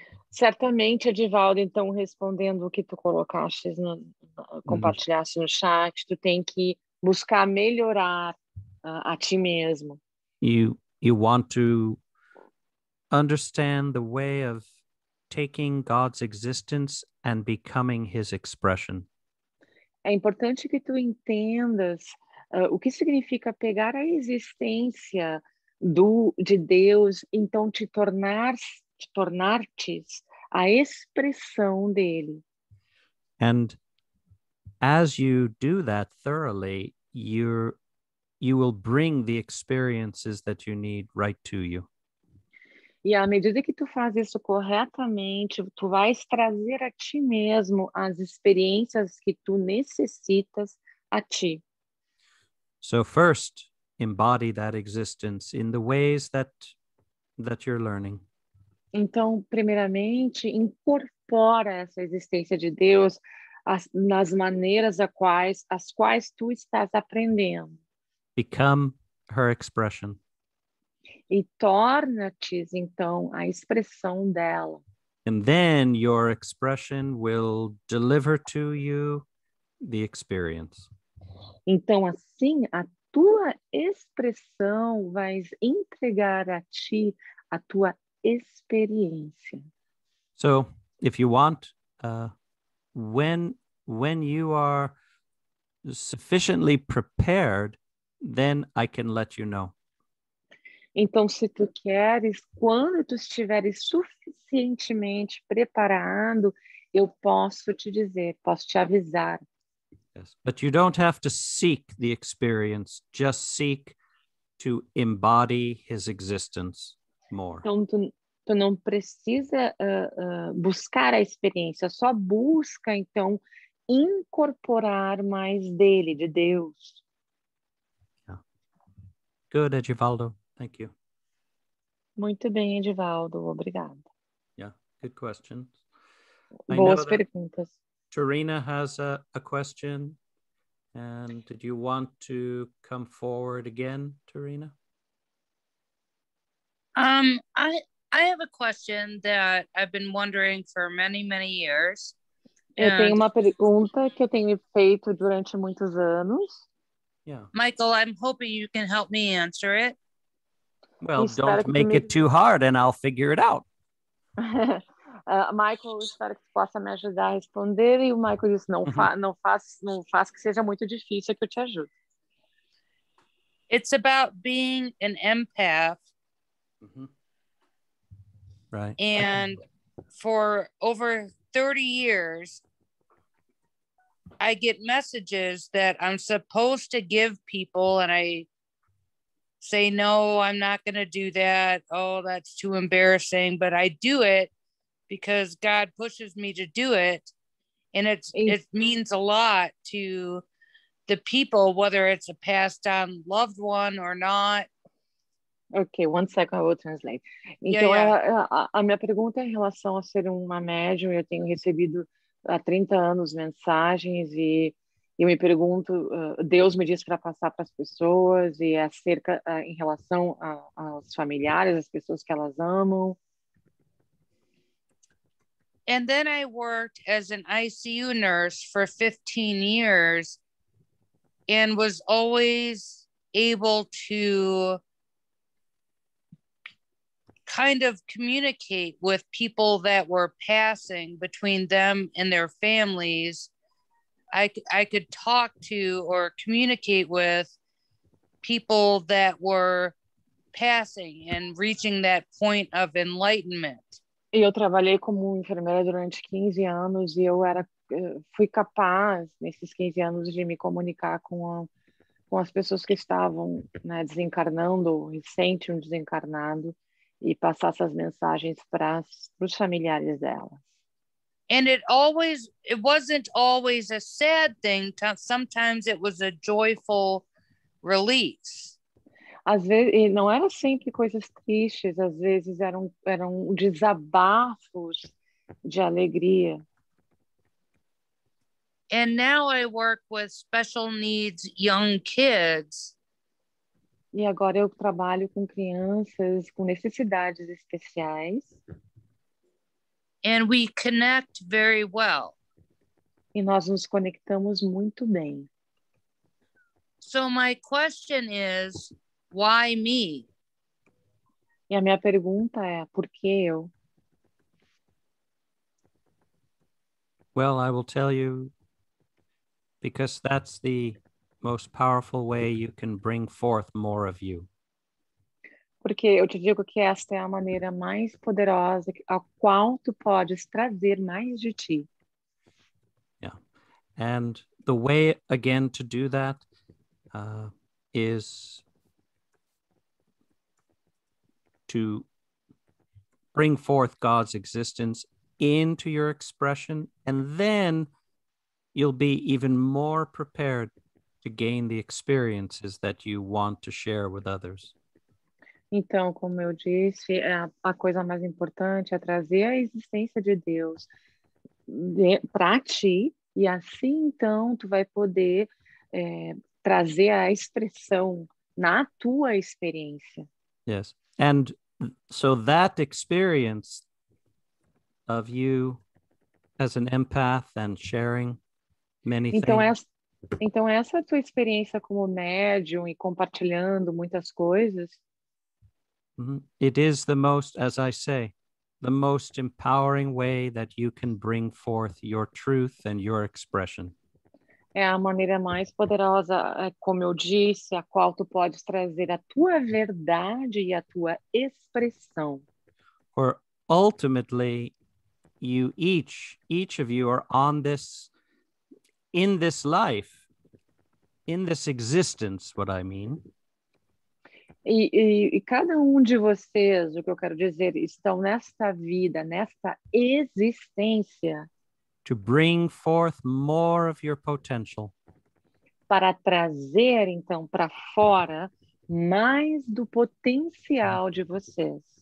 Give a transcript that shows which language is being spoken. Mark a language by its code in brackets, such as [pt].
[pt] Certamente, Edivaldo, então, respondendo o que tu colocaste, compartilhaste no chat, tu tem que buscar melhorar a ti mesmo. [en] You want to understand the way of taking God's existence and becoming his expression. [pt] É importante que tu entendas o que significa pegar a existência de Deus, então te tornar-te a expressão dele. [en] And as you do that thoroughly, you will bring the experiences that you need right to you. [pt] E à medida que tu faz isso corretamente, tu vais trazer a ti mesmo as experiências que tu necessitas a ti. [en] So first, embody that existence in the ways that you're learning. [pt] Então, primeiramente, incorpora essa existência de Deus nas maneiras as quais tu estás aprendendo. [en] Become her expression. [pt] E torna-te, então, a expressão dela. [en] And then your expression will deliver to you the experience. [pt] Então, assim, a tua expressão vai entregar a ti a tua experiência. [en] So, if you want, when you are sufficiently prepared, then I can let you know. [pt] Então, se tu queres, quando tu estiveres suficientemente preparado, eu posso te dizer, posso te avisar. [en] Yes, but you don't have to seek the experience, just seek to embody his existence more. [pt] Então, tu não precisa buscar a experiência, só busca, então, incorporar mais dele, de Deus. [en] Yeah. Good, Edivaldo. Thank you. [pt] Muito bem, Edivaldo. Obrigado. [en] Yeah, good questions. [pt] Boas perguntas. [en] Tarina has a question. And did you want to come forward again, Tarina? I have a question that I've been wondering for many, many years. [pt] Eu tenho uma pergunta que eu tenho feito durante muitos anos. [en] Yeah. Michael, I'm hoping you can help me answer it. Well, don't make it too hard and I'll figure it out. [pt] Michael, espero que possa me ajudar a responder. E o Michael disse, não faz que seja muito difícil que eu te ajude. [en] It's about being an empath. Mm-hmm. Right. And for over 30 years, I get messages that I'm supposed to give people and I say, no, I'm not going to do that. Oh, that's too embarrassing. But I do it because God pushes me to do it. And it means a lot to the people, whether it's a passed on loved one or not. Ok, one second, I will translate. [pt] Então, a minha pergunta é em relação a ser uma médium. Eu tenho recebido há 30 anos mensagens e eu me pergunto, Deus me diz para passar para as pessoas e acerca em relação aos familiares, as pessoas que elas amam. [en] And then I worked as an ICU nurse for 15 years and was always able to kind of communicate with people that were passing between them and their families. I could talk to or communicate with people that were passing and reaching that point of enlightenment. [pt] Eu trabalhei como enfermeira durante 15 anos e eu era fui capaz nesses 15 anos de me comunicar com as pessoas que estavam, né, desencarnando, recente um desencarnado, e passar essas mensagens para os familiares dela. [en] And it wasn't always a sad thing. Sometimes it was a joyful release. [pt] Às vezes, não era sempre coisas tristes, às vezes eram desabafos de alegria. [en] And now I work with special needs young kids. [pt] E agora eu trabalho com crianças com necessidades especiais. [en] And we connect very well. [pt] E nós nos conectamos muito bem. [en] So my question is, why me? [pt] E a minha pergunta é, por que eu? [en] Well, I will tell you, because that's the most powerful way you can bring forth more of you. [pt] Porque eu te digo que esta é a maneira mais poderosa a qual tu podes trazer mais de ti. [en] Yeah. And the way, again, to do that is to bring forth God's existence into your expression, and then you'll be even more prepared to gain the experiences that you want to share with others. [pt] Então, como eu disse, a coisa mais importante é trazer a existência de Deus para ti, e assim então tu vai poder trazer a expressão na tua experiência. [en] Yes. And so that experience of you as an empath and sharing many things. [pt] Então, essa tua experiência como médium e compartilhando muitas coisas. [en] It is the most, as I say, the most empowering way that you can bring forth your truth and your expression. [pt] É a maneira mais poderosa, como eu disse, a qual tu podes trazer a tua verdade e a tua expressão. [en] Or ultimately, you each of you are on this, in this life, in this existence, what I mean. [pt] E cada um de vocês, o que eu quero dizer, estão nesta vida, nesta existência. [en] To bring forth more of your potential. [pt] Para trazer, então, para fora, mais do potencial de vocês.